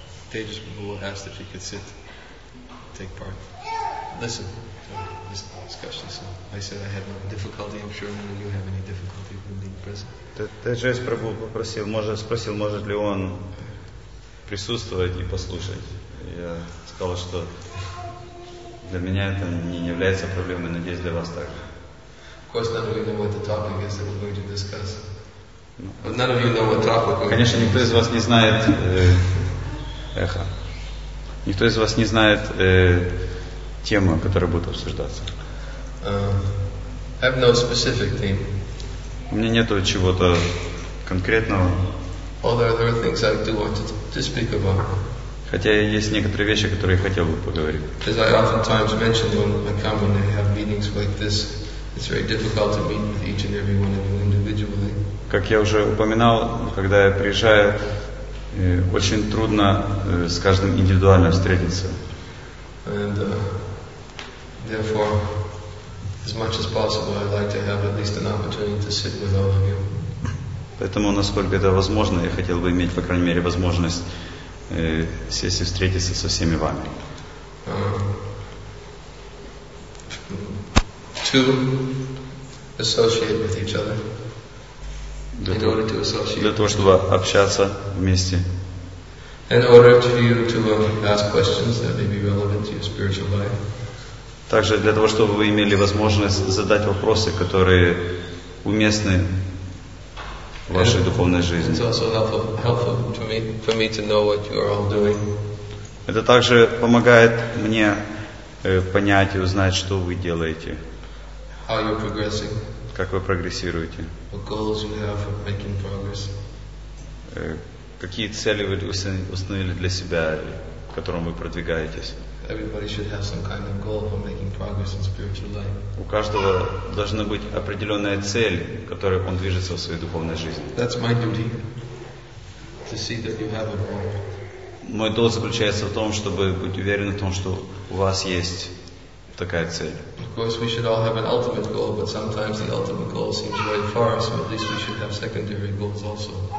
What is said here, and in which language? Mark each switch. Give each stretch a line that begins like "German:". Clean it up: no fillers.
English: Tejas Prabhu asked if he could sit, take part, listen to this discussion. So I said I had no difficulty. I'm sure none of you have any difficulty with being present.
Russian: Tejas Prabhu попросил, может, спросил, может ли он присутствовать и послушать. Я сказал, что для меня это не является проблемой, надеюсь, для вас также.
English: Of course, none of you know what the topic is that we're going to discuss. But none of you know what topic.
Russian: Конечно, никто из вас не знает. Эхо. Никто из вас не знает тему, которая будет обсуждаться.
English: I have no specific theme.
Russian: У меня нету чего-то конкретного.
English: Although there are things I do want to speak about.
Russian: Хотя есть некоторые вещи, которые я хотел бы поговорить.
English: As I oftentimes mention when I come and have meetings like this, it's very difficult to meet with each and every one of you individually.
Russian: Как я уже упоминал, когда я приезжаю. Очень трудно с каждым индивидуально встретиться.
English: And, therefore, as much as possible, I'd like to have at least an opportunity to sit with all of you.
Russian: Поэтому, насколько это возможно, я хотел бы иметь, по крайней мере, возможность сесть и встретиться со всеми вами.
English: To associate with each other.
Russian: Для того, чтобы общаться вместе.
English: In order to you to ask questions that may be relevant to your spiritual life.
Russian: Также для того, чтобы вы имели возможность задать вопросы, которые уместны в вашей духовной жизни.
English: It's also helpful to me, for me to know what you are all doing.
Russian: Это также помогает мне понять и узнать, что вы делаете.
English: How you're progressing.
Russian: Как вы прогрессируете?
English: What goals you have for making progress?
Russian: Какие цели вы установили для себя, к которым вы продвигаетесь?
English: Everybody should have some kind of goal for making progress in spiritual life.
Russian: У каждого должна быть определенная цель, к которой он движется в своей духовной жизни.
English: That's my duty to see that you have a goal.
Russian: Мой долг заключается в том, чтобы быть уверенным в том, что у вас есть. Такая цель.
English: Of course, we should all have an ultimate goal, but sometimes the ultimate goal seems very far, so at least we should have secondary goals also.